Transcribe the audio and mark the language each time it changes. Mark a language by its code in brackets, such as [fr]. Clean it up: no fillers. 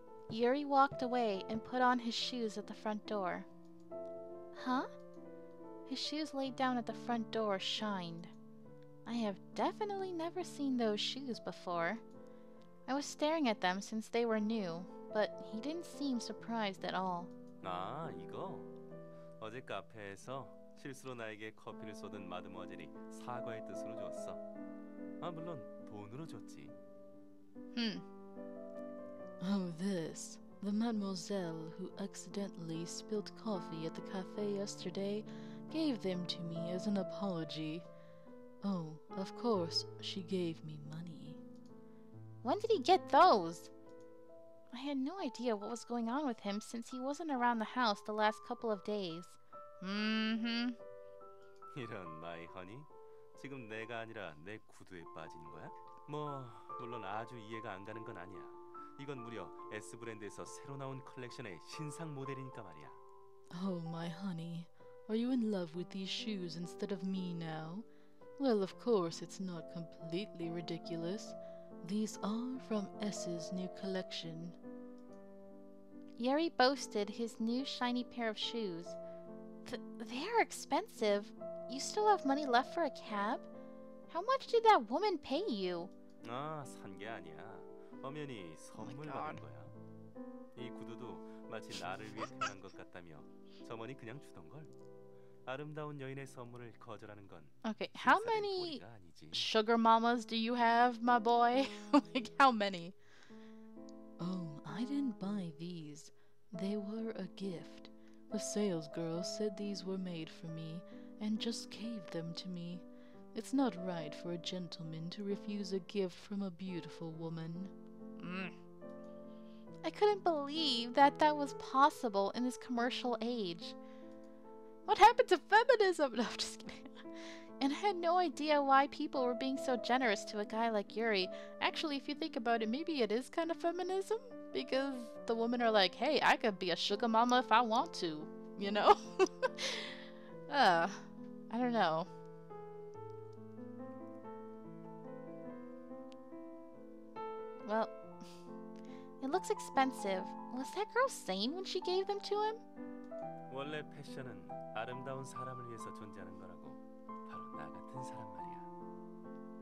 [en] Yuri walked away and put on his shoes at the front door. Huh? His shoes laid down at the front door shined. I have definitely never seen those shoes before. I was staring at them since they were new, but he didn't seem surprised at all. [ko] 아, 이거? 어제 카페에서 실수로 나에게 커피를 쏟은 마드모아젤이 사과의 뜻으로 줬어. 아, 물론 돈으로 줬지. [en] Oh, this. The mademoiselle who accidentally spilled coffee at the cafe yesterday gave them to me as an apology. Oh, of course, she gave me money. When did he get those? I had no idea what was going on with him since he wasn't around the house the last couple of days. Mm-hmm. [ko] 이런 나이, [en] honey. [ko] 지금 내가 아니라 내 구두에 빠진 거야? 뭐, 물론 아주 이해가 안 가는 건 아니야. 이건 무려 S브랜드에서 새로 나온 컬렉션의 신상 모델이니까 말이야. [en] Oh, my honey. Are you in love with these shoes instead of me now? Well, of course, it's not completely ridiculous. These are from S's new collection. Yuri boasted his new shiny pair of shoes. They're expensive. You still have money left for a cab? How much did that woman pay you? [ko] 아, 산 게 아니야. 엄연히 선물 받은 거야. 이 구두도 마치 나를 위해 태어난 것 같다며 점원이 그냥 주던 걸. 아름다운 여인의 선물을 거절하는 건 [en] Okay, how many sugar mamas do you have, my boy? Like, how many? Oh, I didn't buy these. They were a gift. The sales girl said these were made for me, and just gave them to me. It's not right for a gentleman to refuse a gift from a beautiful woman. I couldn't believe that that was possible in this commercial age. What happened to feminism? No, I'm just kidding. And I had no idea why people were being so generous to a guy like Yuri. Actually, if you think about it, maybe it is kind of feminism? Because the women are like, hey, I could be a sugar mama if I want to, you know? I don't know. Well, it looks expensive. Was that girl sane when she gave them to him? [ko] 원래 패션은 아름다운 사람을 위해서 존재하는 거라고. 바로 나 같은 사람 말이야.